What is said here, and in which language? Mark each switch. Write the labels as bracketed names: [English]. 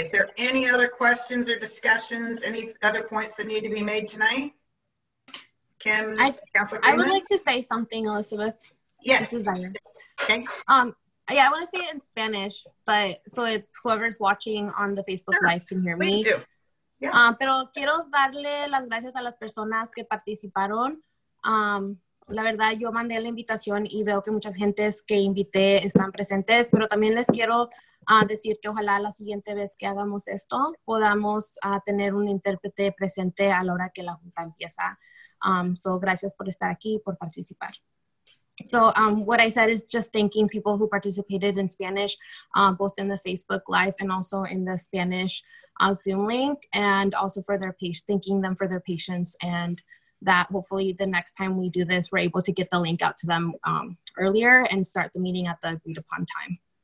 [English] Is there any other questions or discussions, any other points that need to be made tonight? Kim? I would like to say something, Elizabeth. Yes. This is Anna. Okay. I want to say it in Spanish, but so whoever's watching on the Facebook Live can hear me. Please do. Yeah. [Spanish] Pero quiero darle las gracias a las personas que participaron. La verdad, yo mandé la invitación y veo que muchas gentes que invité están presentes, pero también les quiero decir que ojalá la siguiente vez que hagamos esto podamos tener un intérprete presente a la hora que la junta empieza. So gracias por estar aquí y por participar. [English] So what I said is just thanking people who participated in Spanish, both in the Facebook Live and also in the Spanish Zoom link, and also for their thanking them for their patience, and that hopefully the next time we do this, we're able to get the link out to them earlier and start the meeting at the agreed upon time.